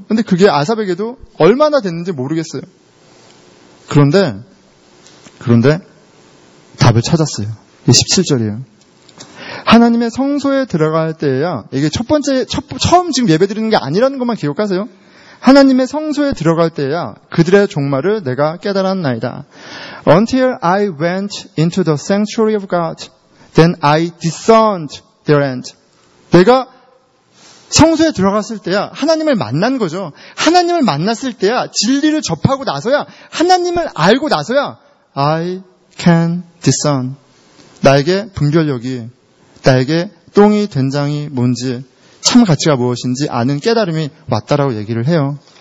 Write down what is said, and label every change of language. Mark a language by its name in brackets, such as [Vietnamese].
[Korean] 그런데 그게 아삽에게도 얼마나 됐는지 모르겠어요. 그런데 답을 찾았어요. 이게 17절이에요. 하나님의 성소에 들어갈 때에야 이게 처음 지금 예배드리는 게 아니라는 것만 기억하세요. 하나님의 성소에 들어갈 때에야 그들의 종말을 내가 깨달았나이다. [English] Until I went into the sanctuary of God, then I discerned their end. [Korean] 내가 성소에 들어갔을 때야 하나님을 만난 거죠. 하나님을 만났을 때야 진리를 접하고 나서야 하나님을 알고 나서야 [English] I can discern. [Korean] 나에게 분별력이 나에게 똥이 된장이 뭔지 참 가치가 무엇인지 아는 깨달음이 왔다라고 얘기를 해요.